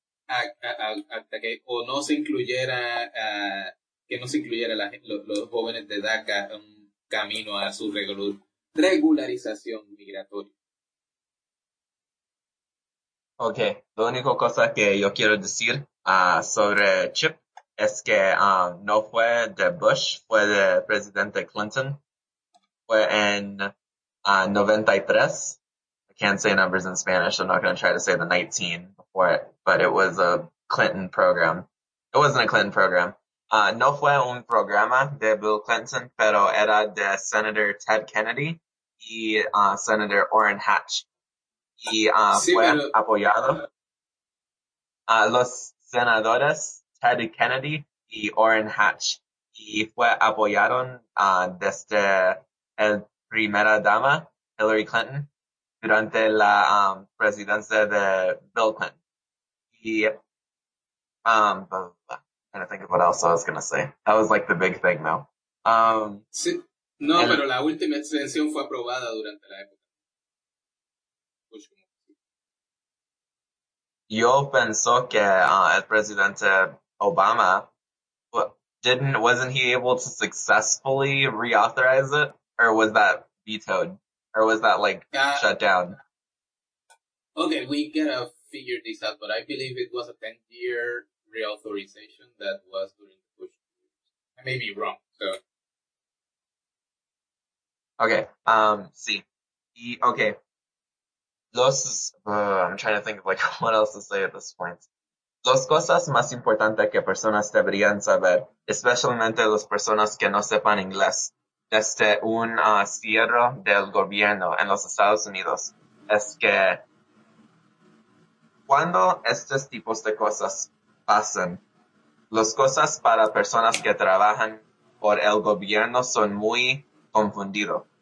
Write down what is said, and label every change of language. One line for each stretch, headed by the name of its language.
Spanish: hasta que o no se incluyera que no se incluyera los jóvenes de DACA en camino a su regularización migratoria. Okay, la única cosa que yo quiero decir sobre Chip es que no fue de Bush, fue de presidente Clinton. Fue en 93.
English: I can't say numbers in Spanish, so I'm not going to try to say the 19 before it, but it was a Clinton program. It wasn't a Clinton program.
Spanish: No fue un programa de Bill Clinton, pero era de Senator Ted Kennedy y Senator Orrin Hatch. Y apoyado a los senadores Ted Kennedy y Orrin Hatch. Y fue apoyado desde el primera dama, Hillary Clinton, durante la presidencia de Bill Clinton.
English: Y, trying to think of what else I was going to say. That was like the big thing, though.
Spanish: Sí. No, pero la última extensión fue aprobada durante la época. Yo pensó que el presidente Obama
English: wasn't he able to successfully reauthorize it, or was that vetoed, or was that like shut down? Okay, we gotta figure this out, but I believe it was a 10-year reauthorization that was during the Bush. I may be wrong. So okay, sí. Okay. I'm trying to think of like what else to say at this point.
Spanish: Las cosas más importantes que personas deberían saber, especialmente las personas que no sepan inglés, desde un cierre del gobierno en los Estados Unidos, es que cuando estos tipos de cosas pasan, las cosas para personas que trabajan por el gobierno son muy confundidas.